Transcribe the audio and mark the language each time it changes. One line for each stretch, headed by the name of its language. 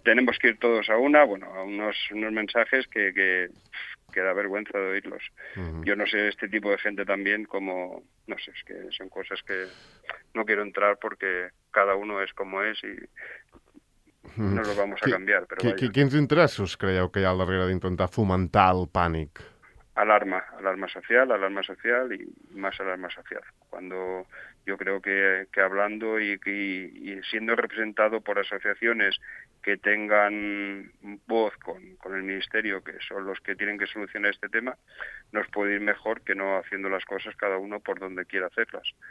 Spanish: Tenemos que ir todos a una, bueno, a unos mensajes que da vergüenza de oírlos. Uh-huh. Yo no sé, este tipo de gente también, como, no sé, es que son cosas que no quiero entrar porque cada uno es como es y no lo vamos a cambiar.
Catalan: ¿Quins interessos creieu que hi ha al darrere d'intentar fomentar el pànic?
Spanish: Alarma social y más alarma social. Cuando yo creo que hablando y siendo representado por asociaciones que tengan voz con el ministerio, que son los que tienen que solucionar este tema, nos puede ir mejor que no haciendo las cosas cada uno por donde quiera hacerlas.